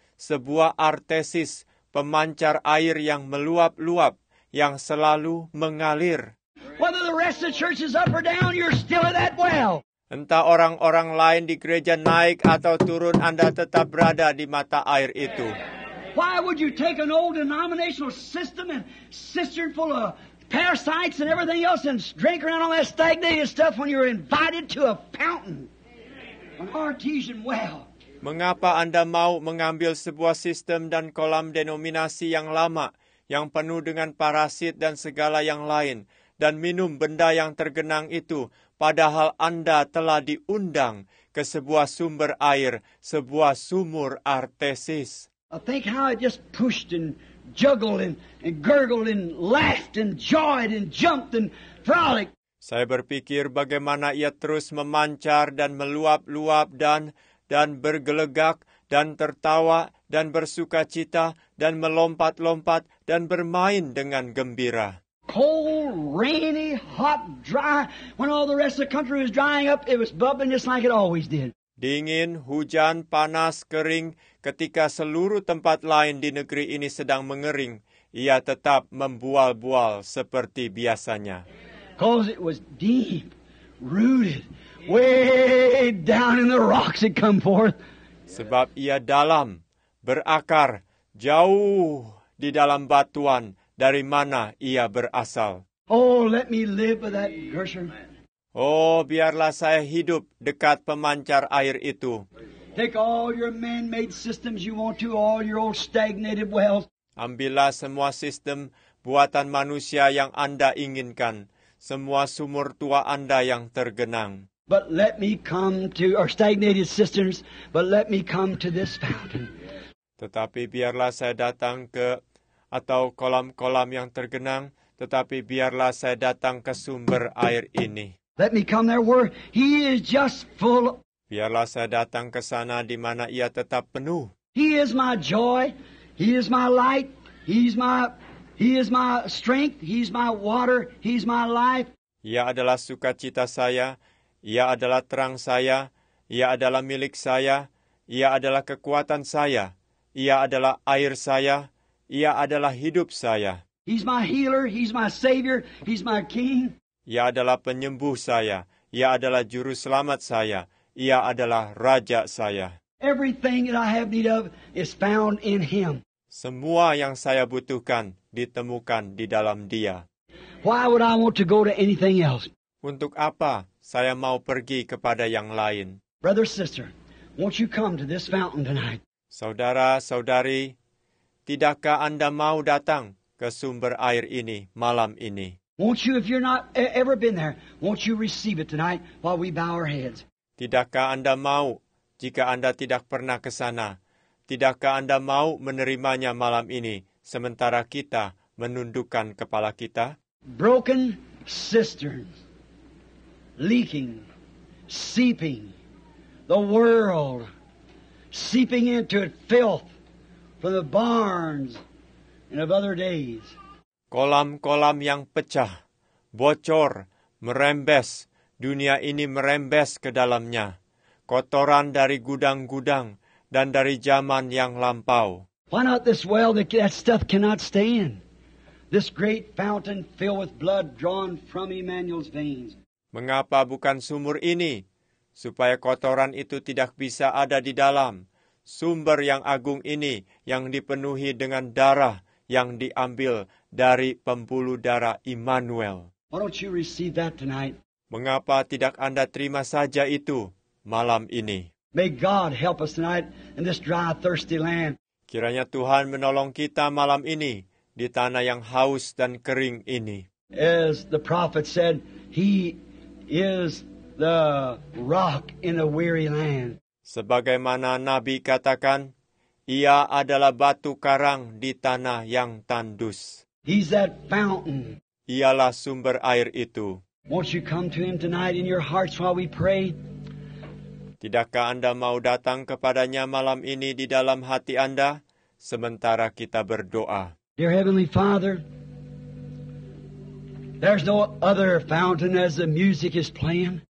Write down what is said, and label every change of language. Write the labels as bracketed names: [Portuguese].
[Indonesian] Sebuah artesis, pemancar air yang meluap-luap, yang selalu mengalir. [English] Whether the rest of the church is up or down, you're still at that well. [Indonesian] Entah orang-orang lain di gereja naik atau turun, Anda tetap berada di mata air itu. [English] Why would you take an old denominational system and cistern full of parasites and everything else and drink around all that stagnated stuff when you're invited to a fountain, an artesian well? [Indonesian] Mengapa Anda mau mengambil sebuah sistem dan kolam denominasi yang lama, yang penuh dengan parasit dan segala yang lain, dan minum benda yang tergenang itu, padahal Anda telah diundang ke sebuah sumber air, sebuah sumur artesis? [English] I think how it just pushed and juggled and gurgled and laughed and joyed and jumped and frolicked. [Indonesian] Saya berpikir bagaimana ia terus memancar dan meluap-luap dan bergelegak dan tertawa dan bersuka cita dan melompat-lompat dan bermain dengan gembira. [English] Cold, rainy, hot, dry. When all the rest of the country was drying up, it was bubbling just like it always did. [Indonesian] Dingin, hujan, panas, kering, ketika seluruh tempat lain di negeri ini sedang mengering, ia tetap membual-bual seperti biasanya. [English] Because it was deep, rooted, way down in the rocks it come forth. [Indonesian] Sebab ia dalam, berakar, jauh di dalam batuan dari mana ia berasal. [English] Oh, let me live with that Gershon. [Indonesian] Oh, biarlah saya hidup dekat pemancar air itu. [English] Take all your man-made systems you want to, all your old stagnated wells. [Indonesian] Ambillah semua sistem buatan manusia yang Anda inginkan, semua sumur tua Anda yang tergenang. [English] But let me come to our stagnated systems, but let me come to this fountain. [Indonesian] Tetapi biarlah saya datang ke, atau kolam-kolam yang tergenang, tetapi biarlah saya datang ke sumber air ini. [English] Let me come there where he is just full. [Indonesian] Biarlah saya datang ke sana di mana ia tetap penuh. [English] He is my joy. He is my light. He is my strength. He is my water. He is my life. [Indonesian] Ia adalah sukacita saya. Ia adalah terang saya. Ia adalah milik saya. Ia adalah kekuatan saya. Ia adalah air saya. Ia adalah hidup saya. [English] He's my healer. He's my savior. He's my king. [Indonesian] Ia adalah penyembuh saya. Ia adalah juru selamat saya. Ia adalah raja saya. [English] Everything that I have need of is found in him. [Indonesian] Semua yang saya butuhkan ditemukan di dalam Dia. [English] Why would I want to go to anything else? [Indonesian] Untuk apa saya mau pergi kepada yang lain? [English] Brother, sister, won't you come to this fountain tonight? [Indonesian] Saudara, saudari, tidakkah Anda mau datang ke sumber air ini malam ini? [English] Won't you, if you're not ever been there, won't you receive it tonight while we bow our heads? [Indonesian] Tidakkah Anda mau, jika Anda tidak pernah ke sana, tidakkah Anda mau menerimanya malam ini, sementara kita menundukkan kepala kita? [English] Broken cisterns, leaking, seeping, the world, seeping into it, filth from the barns and of other days. [Indonesian] Kolam-kolam yang pecah, bocor, merembes, dunia ini merembes ke dalamnya. Kotoran dari gudang-gudang dan dari zaman yang lampau. [English] Why not this well that stuff cannot stay in? This great fountain filled with blood drawn from Emmanuel's veins. [Indonesian] Mengapa bukan sumur ini? Supaya kotoran itu tidak bisa ada di dalam. Sumber yang agung ini yang dipenuhi dengan darah yang diambil dari pembuluh darah Immanuel. [English] Why don't you receive that tonight? [Indonesian] Mengapa tidak Anda terima saja itu malam ini? [English] May God help us tonight in this dry, thirsty land. [Indonesian] Kiranya Tuhan menolong kita malam ini di tanah yang haus dan kering ini. [English] As the prophet said, He is the rock in a weary land. [Indonesian] Sebagaimana Nabi katakan, Ia adalah batu karang di tanah yang tandus. [English] He's that fountain. [Indonesian] Ialah sumber air itu. [English] Won't you come to Him tonight in your hearts while we pray? [Indonesian] Tidakkah Anda mau datang kepadanya malam ini di dalam hati Anda, sementara kita berdoa? [English] Dear Heavenly Father, there's no other fountain as the music is playing.